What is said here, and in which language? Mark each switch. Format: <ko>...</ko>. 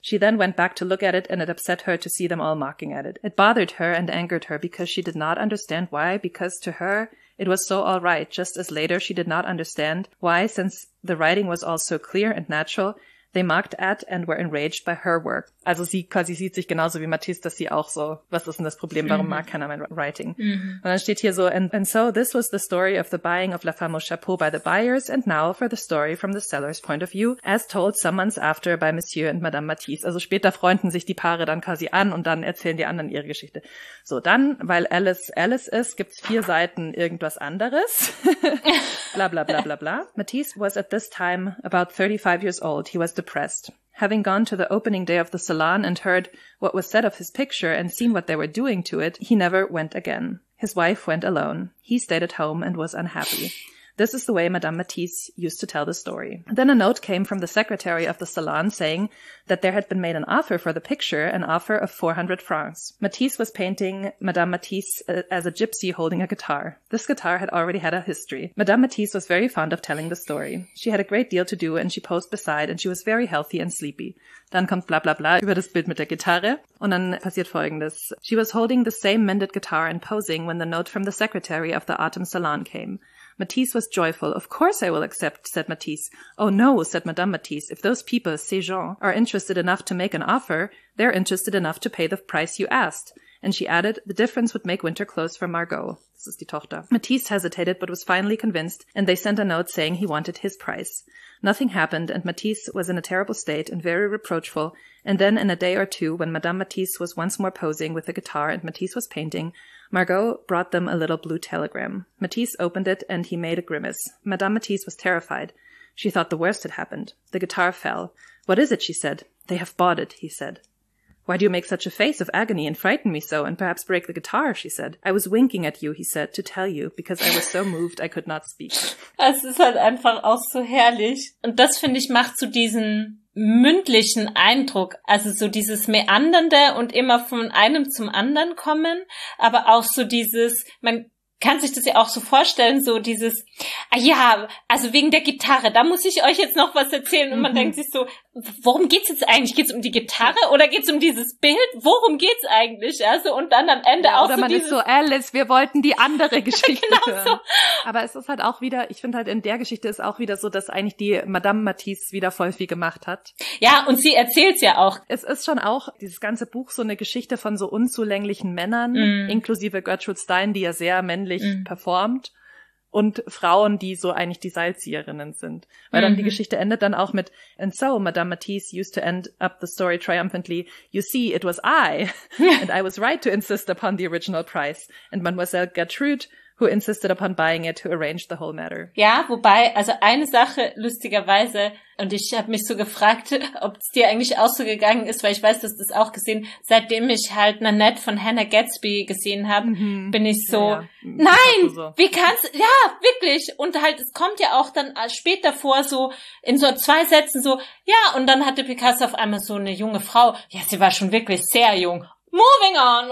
<en>She then went back to look at it, and it upset her to see them all mocking at it. It bothered her and angered her because she did not understand why, because to her, it was so all right, just as later she did not understand why, since the writing was all so clear and natural, they mocked at and were enraged by her work.</en> <de>Also sie quasi sieht sich genauso wie Matisse, dass sie auch so, was ist denn das Problem, warum mag keiner mein Writing? Mm-hmm. Und dann steht hier so,</de> <en>and so this was the story of the buying of La Femme au Chapeau by the buyers, and now for the story from the seller's point of view, as told some months after by Monsieur and Madame Matisse.</en> <de>Also später freunden sich die Paare dann quasi an und dann erzählen die anderen ihre Geschichte. So, dann, weil Alice Alice ist, gibt's vier Seiten irgendwas anderes. Bla bla bla bla bla.</de> <en>Matisse was at this time about 35 years old. He was depressed. Having gone to the opening day of the salon and heard what was said of his picture and seen what they were doing to it, he never went again. His wife went alone. He stayed at home and was unhappy. This is the way Madame Matisse used to tell the story. Then a note came from the secretary of the salon saying that there had been made an offer for the picture, an offer of 400 francs. Matisse was painting Madame Matisse as a gypsy holding a guitar. This guitar had already had a history. Madame Matisse was very fond of telling the story. She had a great deal to do and she posed beside and she was very healthy and sleepy.</en> <de>Dann kommt bla bla bla über das Bild mit der Gitarre und dann passiert Folgendes.</de> <en>She was holding the same mended guitar and posing when the note from the secretary of the autumn salon came. Matisse was joyful. Of course I will accept, said Matisse. Oh no, said Madame Matisse. If those people,</en> <fr>ces gens,</fr> <en>are interested enough to make an offer, they're interested enough to pay the price you asked. And she added, the difference would make winter clothes for Margot.</en> <de>Das ist die Tochter.</de> <en>Matisse hesitated, but was finally convinced, and they sent a note saying he wanted his price. Nothing happened, and Matisse was in a terrible state and very reproachful. And then in a day or two, when Madame Matisse was once more posing with a guitar and Matisse was painting, Margot brought them a little blue telegram. Matisse opened it and he made a grimace. Madame Matisse was terrified. She thought the worst had happened. The guitar fell. What is it? She said. They have bought it, he said. Why do you make such a face of agony and frighten me so and perhaps break the guitar? She said. I was winking at you, he said, to tell you, because I was so moved I could not speak.</en> <de>Es ist halt einfach auch so herrlich. Und das, finde ich, macht zu diesen mündlichen Eindruck, also so dieses Meandernde und immer von einem zum anderen kommen, aber auch so dieses, man kann sich das ja auch so vorstellen, so dieses, ja, also wegen der Gitarre, da muss ich euch jetzt noch was erzählen und man denkt sich so, worum geht's jetzt eigentlich? Geht's um die Gitarre oder geht's um dieses Bild? Worum geht's eigentlich? Also und dann am Ende auch oder so man dieses ist so, Alice, wir wollten die andere Geschichte genau hören. So. Aber es ist halt auch wieder, ich finde halt in der Geschichte ist auch wieder so, dass eigentlich die Madame Matisse wieder voll viel gemacht hat. Ja, und sie erzählt's ja auch. Es ist schon auch dieses ganze Buch so eine Geschichte von so unzulänglichen Männern, inklusive Gertrude Stein, die ja sehr männlich performt. Und Frauen, die so eigentlich die Seilzieherinnen sind. Weil dann die Geschichte endet dann auch mit</de> <en>And so, Madame Matisse used to end up the story triumphantly. You see, it was I. And I was right to insist upon the original price. And Mademoiselle Gertrude, who insisted upon buying it, who arranged the whole matter.</en> <de>Ja, wobei, also eine Sache, lustigerweise, und ich habe mich so gefragt, ob es dir eigentlich auch so gegangen ist, weil ich weiß, dass du es auch gesehen, seitdem ich halt Nanette von Hannah Gadsby gesehen habe, bin ich so, ja. Nein, ich dachte so. Wie kannst du, ja, wirklich, und halt, es kommt ja auch dann später vor, so in so zwei Sätzen so, ja, und dann hatte Picasso auf einmal so eine junge Frau, ja, sie war schon wirklich sehr jung,</de> <en>moving on.</en>